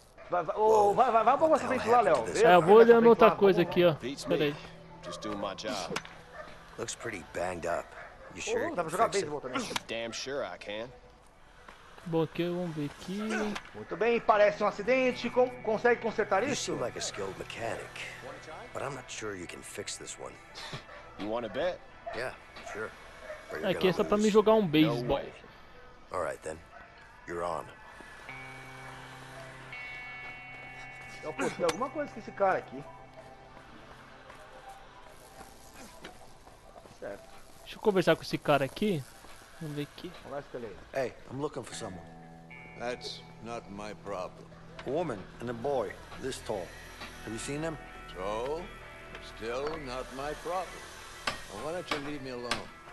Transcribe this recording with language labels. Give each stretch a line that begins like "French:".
Portuguese: Vai um pouco mais pra frente lá, Léo. É, eu vou olhando outra coisa aqui, ó. Pera aí.
English: Just doing my job. Looks pretty banged up. You sure?
Portuguese: Dá pra jogar beisebol também.
English: Damn sure I can.
Portuguese: Bom, aqui vamos ver aqui. Muito bem, parece um acidente. Consegue consertar isso?
English: You seem like a skilled mechanic, but I'm not sure you can fix this one. You want to bet? Yeah, sure.
Portuguese: É que é só pra me jogar um beisebol.
English: All right then. You're on.
Portuguese: Eu postei alguma coisa com esse cara aqui. Certo. Deixa eu conversar com esse cara aqui. Vamos ver aqui. Olá, escalera.
English: Hey, I'm looking for someone. That's not my problem. A woman and a boy this tall. Have you seen them? So, still not my problem. Why don't you leave me alone?